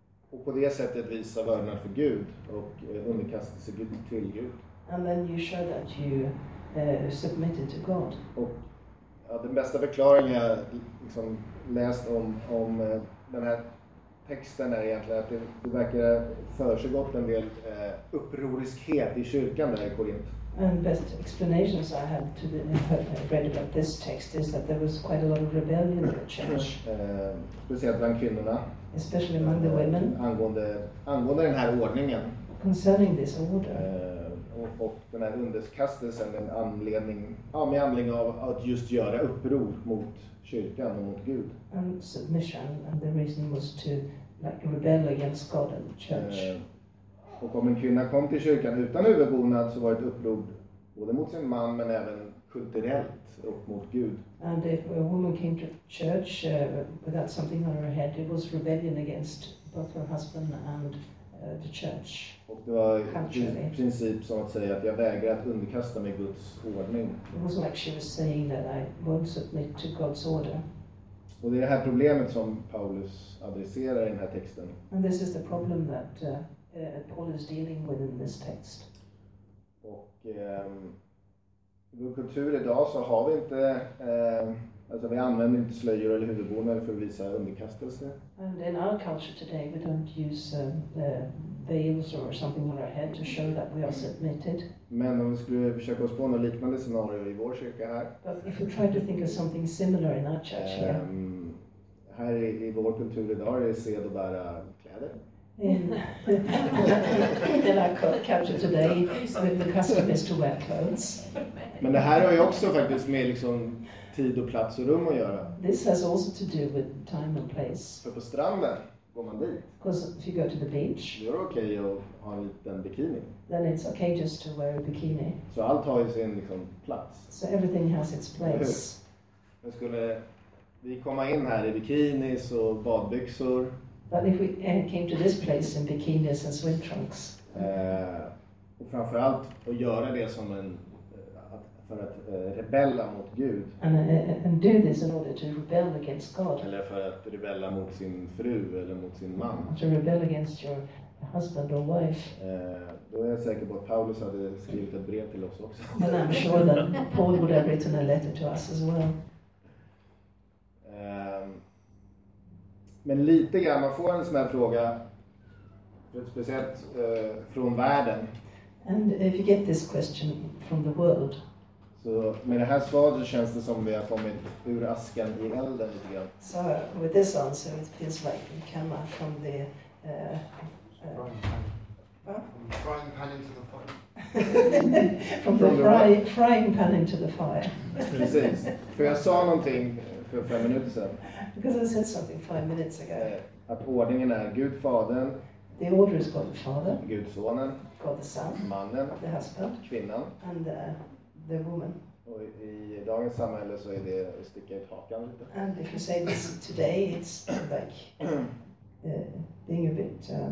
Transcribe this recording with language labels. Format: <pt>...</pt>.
<sv>Och på det sättet visa vördnad för Gud och underkasta sig Gud till Gud.</sv> <en>And then you showed that you submitted to God.</en> <sv>Och den bästa förklaringen jag liksom läst om den här texten är egentligen att det verkar för sig gott en del upproriskhet i kyrkan där i Korinth.</sv> <en>And the best explanations I have to read about this text is that there was quite a lot of rebellion in the church.</en> <sv>Speciellt bland kvinnorna.</sv> <en>Especially among the women.</en> <sv>Angående den här ordningen.</sv> <en>Concerning this order.</en> <sv>Och den här underkastelsen är en anledning, med anledning av att just göra uppror mot kyrkan och mot Gud.</sv> <en>And submission, and the reason was to like rebel against God and the church.</en> <sv>Och om en kvinna kom till kyrkan utan huvudbonad så var det ett uppror både mot sin man men även kulturellt upp mot Gud.</sv> <en>And if a woman came to church without something on her head, it was rebellion against both her husband and the church.</en> <sv>Och det var i princip som att säga att jag vägrar att underkasta mig Guds ordning.</sv> <en>It was like she was saying that I won't submit to God's order.</en> <sv>Och det är det här problemet som Paulus adresserar i den här texten.</sv> <en>And this is the problem that Paul is dealing with in this text.</en> <sv>Och i vår kultur idag så har vi inte vi använder inte slöjor eller huvudbonader för att visa underkastelse.</sv> <en>And in our culture today we don't use veils or something on our head to show that we are submitted.</en> <sv>Men om vi skulle försöka oss på något liknande scenario i vår kyrka här.</sv> <en>But if we try to think of something similar in our church here.</en> <sv>Här i vår kultur idag är sed att bära kläder.</sv> <en>In our culture today the custom is to wear clothes.</en> <sv>Men det här har ju också faktiskt med liksom tid och plats och rum att göra.</sv> <en>This has also to do with time and place.</en> <sv>För på stranden, går man dit?</sv> <en>Because if you go to the beach. You're okay</en> <sv>att ha en liten bikini.</sv> <en>Then it's okay just to wear a bikini.</en> <sv>Så allt har ju sin liksom plats.</sv> <en>So everything has its place.</en> <sv>Men skulle vi komma in här i bikinis och badbyxor?</sv> <en>But if we came to this place in bikinis and swim trunks.</en> <sv>Och framförallt att göra det som en för att rebella mot Gud.</sv> <en>And do this in order to rebel against God.</en> <sv>Eller för att rebella mot sin fru eller mot sin man.</sv> <en>To rebel against your husband or wife.</en> <sv>Då är jag säker på att Paulus hade skrivit ett brev till oss också.</sv> <en>And I'm sure that Paul would have written a letter to us as well.</en> <sv>Men lite grann, man får en sån här fråga speciellt från världen.</sv> <en>And if you get this question from the world.</en> <sv>Så med det här svaret känns det som vi har kommit ur askan i elden lite grann.</sv> <en>So with this answer it feels like we came out from the frying pan into the fire. From the frying pan into the fire.</en> <sv>Precis. För jag sa någonting för 5 minuter sedan.</sv> <en>Because I said something 5 minutes ago.</en> <sv>Att ordningen är Gud Fadern.</sv> <en>The order is God the Father.</en> <sv>Gud Sonen.</sv> <en>God the Son.</en> <sv>Mannen.</sv> <en>The husband.</en> <sv>Kvinnan.</sv> <en>And the woman.</en> <sv>Och i dagens samhälle så är det att sticka ut hakan lite.</sv> <en>And if you say this today, it's like being a bit</en>